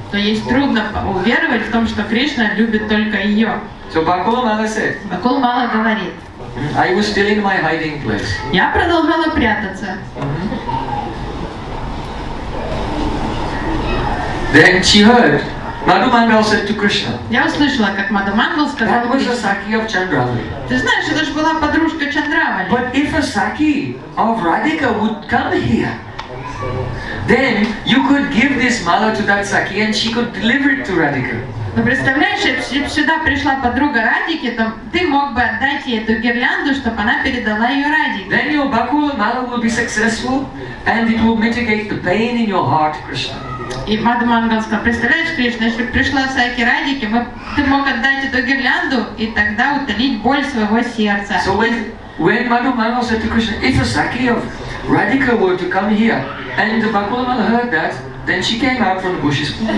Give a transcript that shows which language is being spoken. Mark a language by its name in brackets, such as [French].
[Russian] То есть трудно уверовать в том, что Кришна любит только ее. [English] So Bakul Mala said. [Russian] Bakul Mala говорит. [English] I was still in my hiding place. [Russian] Я продолжала прятаться. [English] Then she heard. Madhumangal said to Krishna. [Russian] Я услышала, как Мадхумангал сказал. [English] That was a saki of Chandravali. [Russian] Ты знаешь, это же была подружка Чандравали. [English] But if a saki of Radhika would come here, then you could give this mala to that saki, and she could deliver it to Radhika. [Russian] Ну представляешь, если бы сюда пришла подруга Радики, то ты мог бы отдать ей эту гирлянду, чтобы она передала ее Радике. [English] Then your bakul mala will be successful, and it will mitigate the pain in your heart, Krishna. [Russian] И Мадхумангал сказал, представляешь, Кришна, если бы пришла Саки Радики, ты мог отдать эту гирлянду и тогда утолить боль своего сердца. [English] So when Мадхумангал said to Krishna, if a Saki of Radhika were to come here, and the Bakul Mala heard that, then she came out from the bushes.